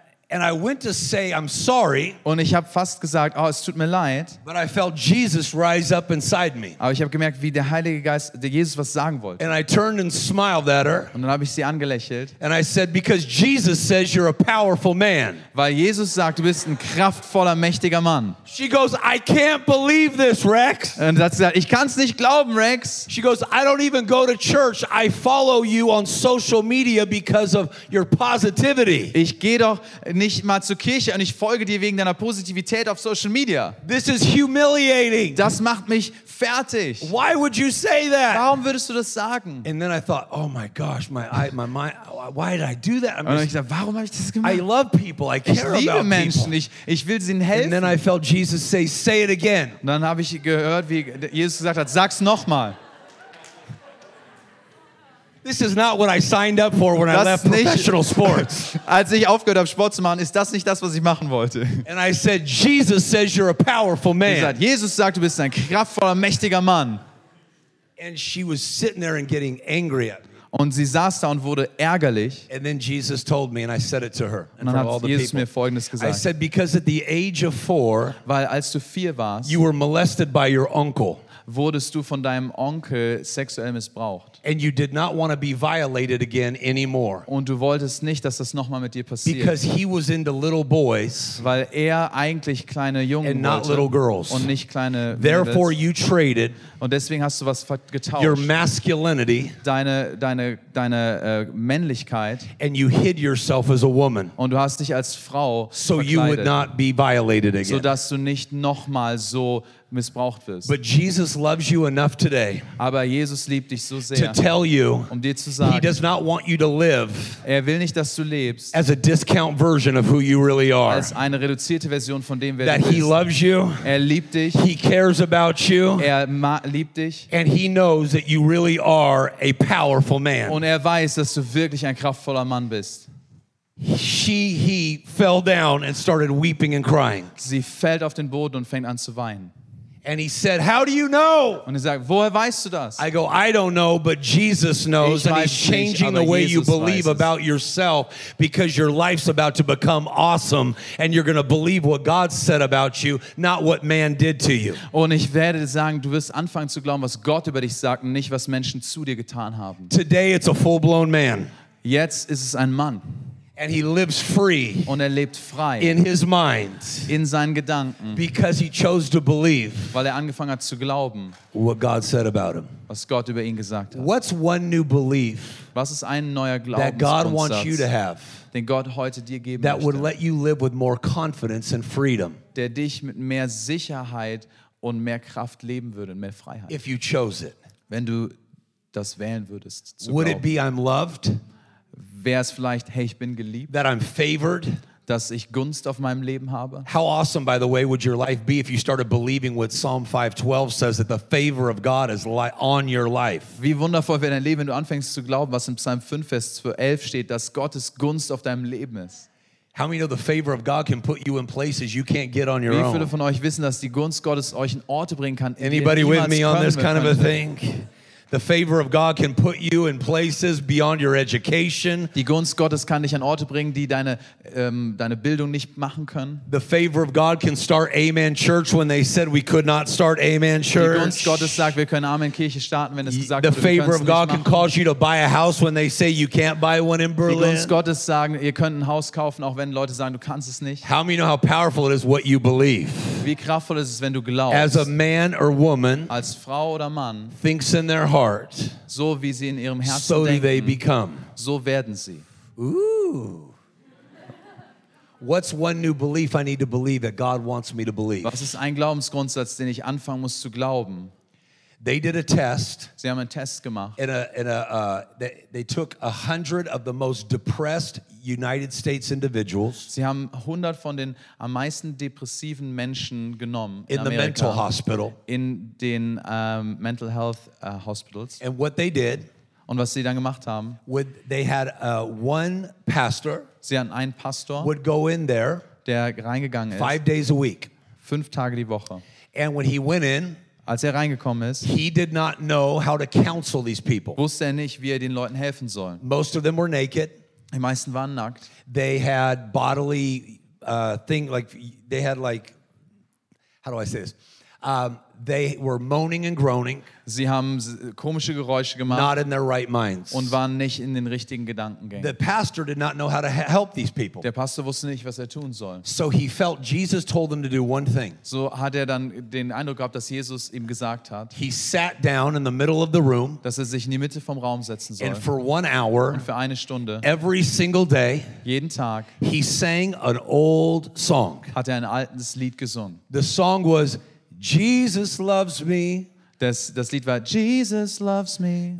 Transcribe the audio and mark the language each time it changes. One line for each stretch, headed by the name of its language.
English: And I went to say, I'm sorry.
German: Und ich habe fast gesagt, oh, es tut mir leid.
English: But I felt Jesus rise up inside me.
German: Aber ich habe gemerkt, wie der Heilige Geist, der Jesus was sagen wollte.
English: And I turned and smiled at her.
German: Und dann habe ich sie angelächelt.
English: And I said, because Jesus says you're a powerful man.
German: Weil Jesus sagt, du bist ein kraftvoller, mächtiger Mann.
English: She goes, I can't believe this, Rex.
German: Und hat gesagt, ich kann's nicht glauben, Rex.
English: She goes, I don't even go to church. I follow you on social media because of your positivity.
German: Ich gehe doch nicht mal zur Kirche und ich folge dir wegen deiner Positivität auf Social Media.
English: This is humiliating.
German: Das macht mich fertig.
English: Why would you say that?
German: Warum würdest du das sagen?
English: And then I thought, oh my gosh, my mind, why did I do that?
German: Und ich dachte, warum habe ich das gemacht?
English: I love people, I care about people.
German: Ich liebe Menschen, ich will ihnen helfen.
English: And then I felt Jesus say it again.
German: Und dann habe ich gehört, wie Jesus gesagt hat, sag's nochmal.
English: This is not what I signed up for when
German: das
English: I left professional sports.
German: Als ich aufgehört habe, Sport zu machen, ist das nicht das, was ich machen wollte.
English: And I said, Jesus says you're a powerful man.
German: Ich sagte, Jesus sagt, du bist ein kraftvoller, mächtiger Mann.
English: And she was sitting there and getting angry at me.
German: Und sie saß da und wurde ärgerlich.
English: And then Jesus told me, and I said it to her.
German: Und dann hat Jesus mir Folgendes gesagt.
English: I said, because at the age of 4,
German: weil als du 4 warst,
English: you were molested by your uncle.
German: wurdest du von deinem Onkel sexuell missbraucht.
English: And you did not want to be violated again anymore.
German: Und du wolltest nicht, dass das nochmal mit dir passiert.
English: Because he was into little boys.
German: Weil er eigentlich kleine Jungen
English: and not little girls.
German: Und nicht kleine Mädels.
English: Therefore you traded.
German: Und deswegen hast du was getauscht.
English: Your masculinity.
German: Deine Männlichkeit.
English: And you hid yourself as a woman.
German: Und du hast dich als Frau verkleidet.
English: So you would not be violated again.
German: So dass du nicht nochmal so missbraucht wirst.
English: But Jesus loves you enough today.
German: Aber Jesus liebt dich so sehr.
English: To tell you,
German: um dir zu sagen,
English: he does not want you to live.
German: Er will nicht, dass du lebst.
English: As a discount version of who you really are.
German: Als eine reduzierte Version von dem, wer
English: that
German: du bist.
English: He loves you.
German: Er liebt dich.
English: He cares about you.
German: Er liebt dich.
English: And he knows that you really are a powerful man.
German: Und er weiß, dass du wirklich ein kraftvoller Mann bist.
English: He fell down and started weeping and crying.
German: Sie fällt auf den Boden und fängt an zu weinen.
English: And he said, "How do you know?"
German: Und er sagt, woher weißt du das?
English: I go, "I don't know, but Jesus knows,
German: ich
English: and he's changing the way
German: Jesus
English: you believe about yourself because your life's about to become awesome and you're going to believe what God said about you, not what man did to you."
German: Und ich werde sagen, du wirst anfangen zu glauben, was Gott über dich sagt, und nicht was Menschen zu dir getan haben.
English: Today it's a full-blown man.
German: Jetzt ist es ein Mann.
English: And he lives free.
German: Und er lebt frei.
English: In his mind.
German: In seinen Gedanken.
English: Because he chose to believe.
German: Weil er angefangen hat zu glauben.
English: What God said about him.
German: Was Gott über ihn gesagt hat.
English: What's one new belief?
German: Was ist ein neuer Glaubenssatz?
English: That God wants you to have.
German: Den Gott heute dir geben
English: that
German: möchte.
English: Would let you live with more confidence and freedom.
German: Der dich mit mehr Sicherheit und mehr Kraft leben würde, mehr Freiheit.
English: If you chose it.
German: Wenn du das wählen würdest zu glauben.
English: Would it be I'm loved?
German: Wäre es vielleicht, hey, ich bin geliebt,
English: that I'm favored,
German: dass ich Gunst auf meinem Leben habe.
English: How awesome, by the way, would your life be if you started believing what Psalm 5:12 says, that the favor of God is on your life.
German: Wie wundervoll wäre dein Leben, wenn du anfängst zu glauben, was in Psalm 5, Vers 11 steht, dass Gottes Gunst auf deinem Leben ist.
English: How many know the favor of God can put you in places you can't get on your own?
German: Wie viele von euch wissen, dass die Gunst Gottes euch in Orte bringen kann,
English: anybody with me on this kind of a thing? The favor of God can put you in places beyond your education.
German: Die Gunst Gottes kann dich an Orte bringen, die deine Bildung nicht machen können.
English: The favor of God can start Amen Church when they said we could not start Amen Church.
German: Die Gunst Gottes sagt, wir können Amen Kirche starten, wenn es gesagt wurde.
English: The favor of God can cause you to buy a house when they say you can't buy one in Berlin.
German: Die Gunst Gottes sagen, ihr könnt ein Haus kaufen, auch wenn Leute sagen, du kannst es nicht.
English: How many know how powerful it is what you believe?
German: Wie kraftvoll ist es, wenn du glaubst?
English: As a man or woman,
German: als Frau oder Mann,
English: thinks in their heart.
German: So wie sie in ihrem Herzen
English: so
German: denken,
English: they become.
German: So werden sie. Ooh.
English: What's one new belief I need to believe that God wants me to believe?
German: Was ist ein Glaubensgrundsatz, den ich anfangen muss zu glauben?
English: They did a test.
German: Sie haben einen Test gemacht.
English: They took 100 of the most depressed United States individuals.
German: Sie haben 100 von den am meisten depressiven Menschen genommen
English: in the mental hospital.
German: In den
English: mental health hospitals. And what they did.
German: Und was sie dann gemacht haben.
English: Would they had one pastor.
German: Sie hatten einen Pastor.
English: Would go in there.
German: Der reingegangen ist.
English: 5 days a week.
German: 5 Tage die Woche.
English: And when he went in.
German: Als er reingekommen ist,
English: he did not know how to counsel these people.
German: Wusste er nicht, wie er den Leuten helfen soll.
English: Most of them were naked.
German: Die meisten waren nackt.
English: They had bodily thing like they had like how do I say this? They were moaning and groaning.
German: Sie haben komische Geräusche gemacht.
English: Not in their right minds.
German: Und waren nicht in den richtigen Gedankengängen.
English: The pastor did not know how to help these people.
German: Der Pastor wusste nicht, was er tun soll.
English: So he felt Jesus told them to do one thing.
German: So hat er dann den Eindruck gehabt, dass Jesus ihm gesagt hat.
English: He sat down in the middle of the room.
German: Dass er sich in die Mitte vom Raum setzen soll.
English: And for 1 hour.
German: Und für eine Stunde.
English: Every single day.
German: Jeden Tag.
English: He sang an old song.
German: Hat er ein altes Lied gesungen.
English: The song was Jesus loves me.
German: Das Lied war
English: Jesus loves me.